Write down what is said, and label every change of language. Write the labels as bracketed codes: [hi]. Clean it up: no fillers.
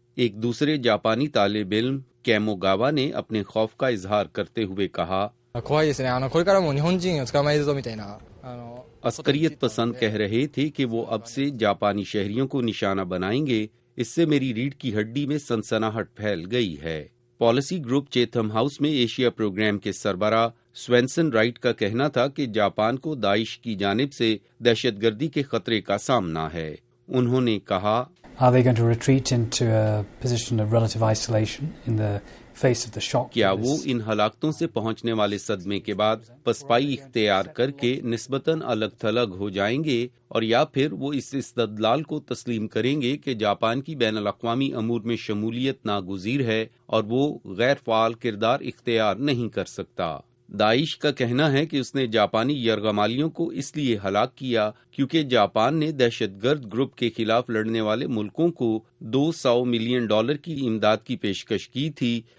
[ur] ایک دوسرے جاپانی طالب علم کیمو گاوا نے اپنے خوف کا اظہار کرتے ہوئے کہا، عسکریت پسند کہہ رہے تھے کہ وہ اب سے جاپانی شہریوں کو نشانہ بنائیں گے، اس سے میری ریڑھ کی ہڈی میں سنسناہٹ پھیل گئی ہے۔ پالیسی گروپ چیتھم ہاؤس میں ایشیا پروگرام کے سربراہ سوینسن رائٹ کا کہنا تھا کہ جاپان کو داعش کی جانب سے دہشت گردی کے خطرے کا سامنا ہے۔ انہوں نے کہا، [en] Are they going to retreat into a position of relative isolation in the face of the shock? [ur] کیا وہ ان ہلاکتوں سے پہنچنے والے صدمے کے بعد پسپائی اختیار کر کے نسبتاً الگ تھلگ ہو جائیں گے اور یا پھر وہ اس استدلال کو تسلیم کریں گے کہ جاپان کی بین الاقوامی امور میں شمولیت ناگزیر ہے اور وہ غیر فعال کردار اختیار نہیں کر سکتا؟ داعش کا کہنا ہے کہ اس نے جاپانی یرغمالیوں کو اس لیے ہلاک کیا کیونکہ جاپان نے دہشت گرد گروپ کے خلاف لڑنے والے ملکوں کو $200 ملین کی امداد کی پیشکش کی تھی.